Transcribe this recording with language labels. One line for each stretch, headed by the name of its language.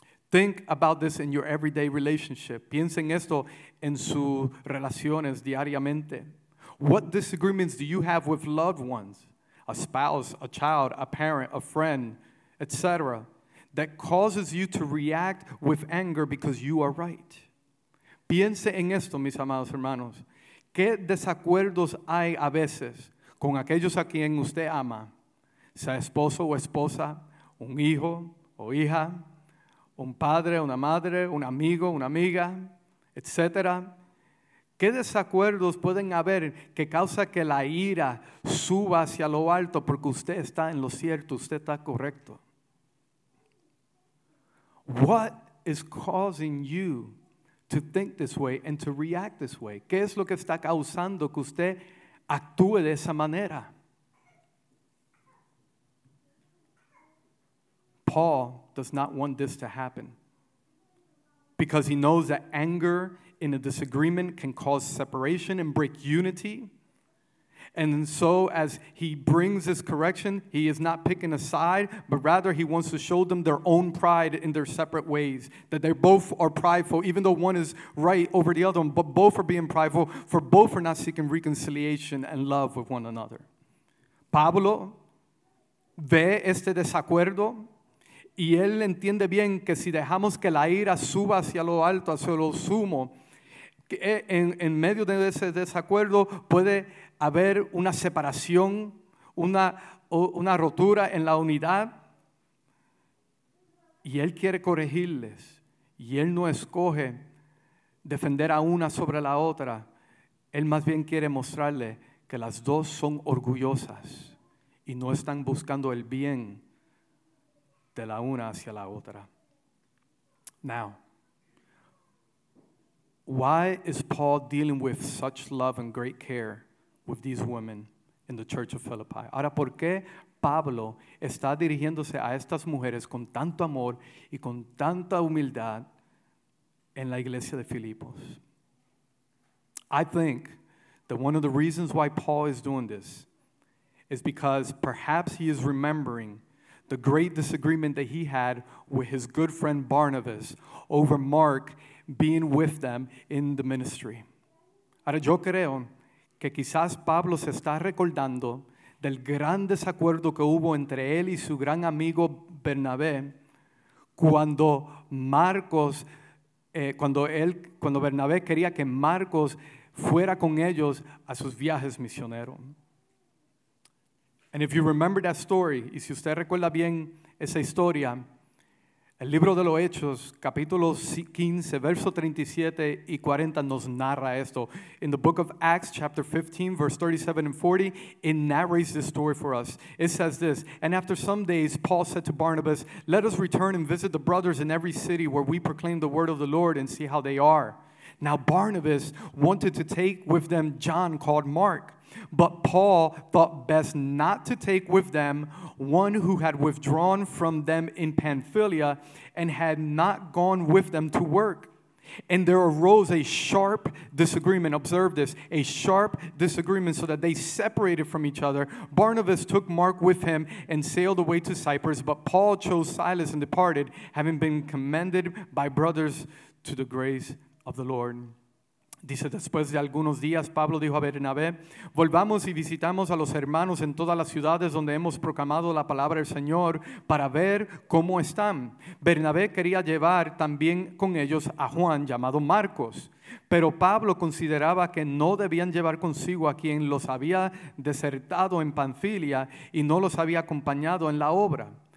English: Think about this in your everyday relationship.
Spanish: Piensen esto en sus relaciones diariamente.
English: What disagreements do you have with loved ones, a spouse, a child, a parent, a friend, etc., that causes you to react with anger because you are right?
Spanish: Piense en esto, mis amados hermanos. ¿Qué desacuerdos hay a veces con aquellos a quien usted ama, sea esposo o esposa, un hijo o hija, un padre, una madre, un amigo, una amiga, etc.? ¿Qué desacuerdos pueden haber que causa que la ira suba hacia lo alto porque usted está en lo cierto, usted está correcto?
English: What is causing you to think this way and to react this way?
Spanish: ¿Qué es lo que está causando que usted actúe de esa manera?
English: Paul does not want this to happen because he knows that anger in a disagreement can cause separation and break unity. And so as he brings this correction, he is not picking a side, but rather he wants to show them their own pride in their separate ways, that they both are prideful, even though one is right over the other one, but both are being prideful, for both are not seeking reconciliation and love with one another.
Spanish: Pablo ve este desacuerdo. Y él entiende bien que si dejamos que la ira suba hacia lo alto, hacia lo sumo, en medio de ese desacuerdo puede haber una separación, una rotura en la unidad. Y él quiere corregirles. Y él no escoge defender a una sobre la otra. Él más bien quiere mostrarle que las dos son orgullosas y no están buscando el bien de la una hacia la otra.
English: Now, why is Paul dealing with such love and great care with these women in the church of Philippi?
Spanish: Ahora, ¿por qué Pablo está dirigiéndose a estas mujeres con tanto amor y con tanta humildad en la iglesia de Filipos?
English: I think that one of the reasons why Paul is doing this is because perhaps he is remembering the great disagreement that he had with his good friend Barnabas over Mark being with them in the ministry.
Spanish: Ahora, yo creo que quizás Pablo se está recordando del gran desacuerdo que hubo entre él y su gran amigo Bernabé cuando Marcos, cuando Bernabé quería que Marcos fuera con ellos a sus viajes misioneros.
English: And if you remember that story,
Spanish: y si usted recuerda bien esa historia, el libro de los Hechos, capítulo 15, verso 37 y 40, nos narra esto.
English: In the book of Acts, chapter 15, verse 37 and 40, it narrates this story for us. It says this, "And after some days, Paul said to Barnabas, 'Let us return and visit the brothers in every city where we proclaim the word of the Lord and see how they are.' Now Barnabas wanted to take with them John called Mark, but Paul thought best not to take with them one who had withdrawn from them in Pamphylia and had not gone with them to work. And there arose a sharp disagreement," observe this, "a sharp disagreement, so that they separated from each other. Barnabas took Mark with him and sailed away to Cyprus, but Paul chose Silas and departed, having been commended by brothers to the grace of the Lord."
Spanish: Dice, después de algunos días, Pablo dijo a Bernabé, "Volvamos y visitamos a los hermanos en todas las ciudades donde hemos proclamado la palabra del Señor para ver cómo están." Bernabé quería llevar también con ellos a Juan, llamado Marcos. Pero Pablo consideraba que no debían llevar consigo a quien los había desertado en Panfilia y no los había acompañado en la obra.